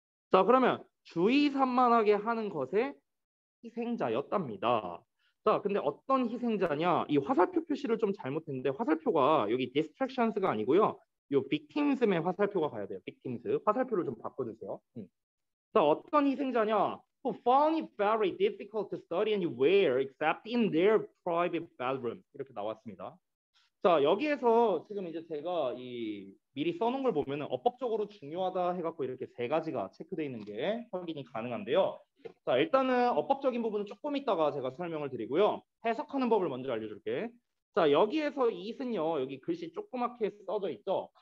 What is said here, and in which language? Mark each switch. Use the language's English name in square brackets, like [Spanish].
[Korean] 자, 그러면 주의 산만하게 하는 것의 희생자였답니다. 자, 근데 어떤 희생자냐? 이 화살표 표시를 좀 잘못 했는데 화살표가 여기 distractions가 아니고요. 요 victims의 화살표가 가야 돼요. victims. 화살표를 좀 바꿔 주세요. 자, 어떤 희생자냐? [English] Who found it very difficult to study anywhere except in their private bedroom. [Korean] 이렇게 나왔습니다. 자, 여기에서 지금 이제 제가 이 미리 써놓은 걸 보면은 어법적으로 중요하다 해갖고 이렇게 세 가지가 체크되어 있는 게 확인이 가능한데요. 자, 일단은 어법적인 부분은 조금 있다가 제가 설명을 드리고요. 해석하는 법을 먼저 알려줄게. 자, 여기에서 it은요, 여기 글씨 조그맣게 써져 있죠?